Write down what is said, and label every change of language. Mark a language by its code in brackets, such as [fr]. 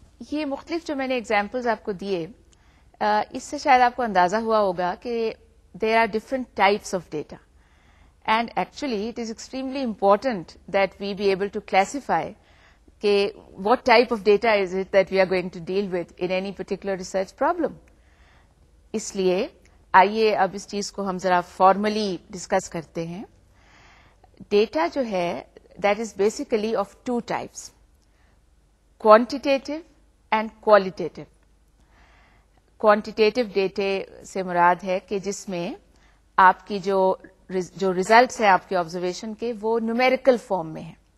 [ur] یہ مختلف جو میں نے examples آپ کو دیئے اس سے شاید آپ کو اندازہ ہوا ہوگا کہ [en] there are different types of data. And actually, it is extremely important that we be able to classify what type of data is it that we are going to deal with in any particular research problem. [ur] اس لیے آئیے اب اس چیز کو ہم ذرا formally discuss کرتے ہیں. Data جو ہے [en] That is basically of two types, quantitative and qualitative. [ur] Quantitative data سے مراد ہے کہ جس میں آپ کی جو ریزلٹس ہیں آپ کے آبزرویشن کے وہ نیومیریکل فارم میں ہیں.